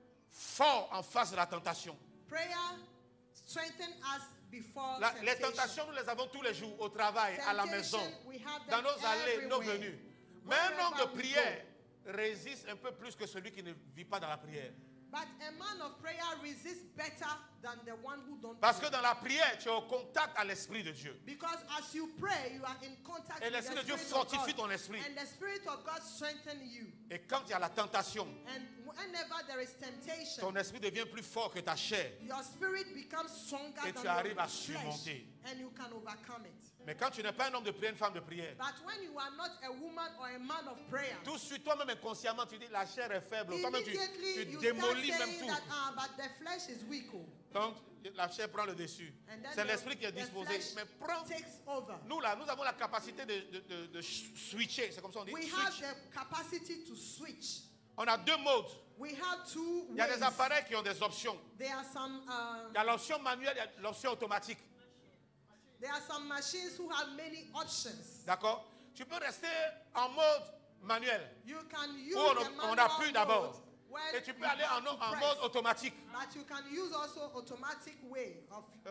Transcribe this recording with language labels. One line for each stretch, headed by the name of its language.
French: Fort en face de la tentation.
English: Prayer strengthens us
French: Les tentations, nous les avons tous les jours, au travail, à la maison, dans nos allées, nos venues. Mais un homme de prière résiste un peu plus que celui qui ne vit pas dans la prière.
English: But a man of prayer resists better than the one who don't.
French: Parce que dans la prière, tu es au contact à l'esprit de Dieu.
English: Because as you pray, you are in contact.
French: Et l'esprit de Dieu fortifie ton esprit.
English: And the spirit of God strengthens you.
French: Et quand il y a la tentation,
English: and whenever there is temptation,
French: ton esprit devient plus fort que ta chair.
English: Your spirit becomes stronger than your flesh.
French: Et tu arrives à surmonter.
English: And you can overcome it.
French: Mais quand tu n'es pas un homme de prière, une femme de prière,
English: but when you are not a woman or a man of prayer,
French: tout de suite, toi-même inconsciemment, tu dis la chair est faible. Toi-même, tu démolis même tout.
English: But the flesh is weak.
French: Donc, la chair prend le dessus. C'est l'esprit qui est disposé. Mais prends, nous là, nous avons la capacité de switcher. C'est comme ça on dit.
English: We have the capacity to switch.
French: On a deux modes.
English: We have two ways.
French: Il y a des appareils qui ont des options.
English: There are some,
French: il y a l'option manuelle, il y a l'option automatique.
English: There are some machines who have many options.
French: D'accord. Tu peux rester en mode manuel.
English: You can use the manual.
French: On appuie d'abord. Et tu peux aller en mode automatique.
English: But you can use also automatic way of.